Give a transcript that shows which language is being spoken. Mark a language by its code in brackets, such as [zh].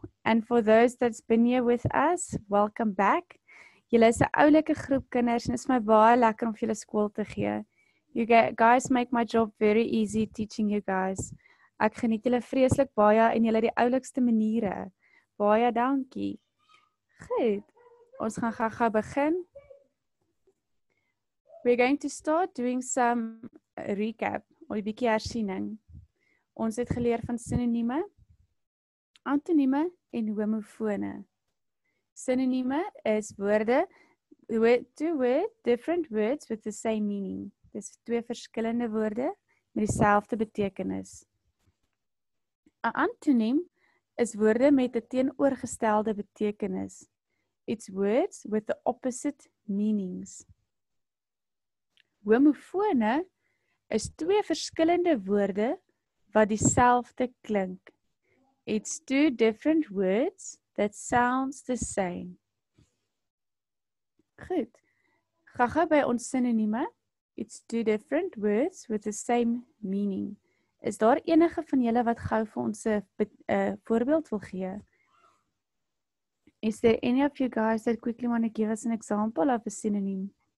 [en] And for those that's been here with us, welcome back. [af] Julle is 'n oulike groep kinders en is my baie lekker om vir julle skool te gee. [en] You guys make my job very easy teaching you guys. [af] Ek geniet julle vreeslik baie en julle die oulikste maniere. Baie dankie. Goed. Ons gaan gaga begin. [en] We're going to start doing some recap, [af] 'n bietjie hersiening. Ons het geleer van sinonieme, antonieme en homofone. Sinonieme is woorde, [en] two words, different words with the same meaning. [af] Dis twee verskillende woorde met dieselfde betekenis. 'N antoniem is woorde met 'n teenoorgestelde betekenis. [en] It's words with the opposite meanings. [af] Homofone is twee verskillende woorde wat dieselfde klink. [en] It's two different words that sounds the same. [af] Goed. Gaga by ons sinonieme. [en] It's two different words with the same meaning. [af] Is daar enige van julle wat gou vir ons 'n voorbeeld wil gee? [en] Is there any of you guys that quickly want to give us an example of a synonym?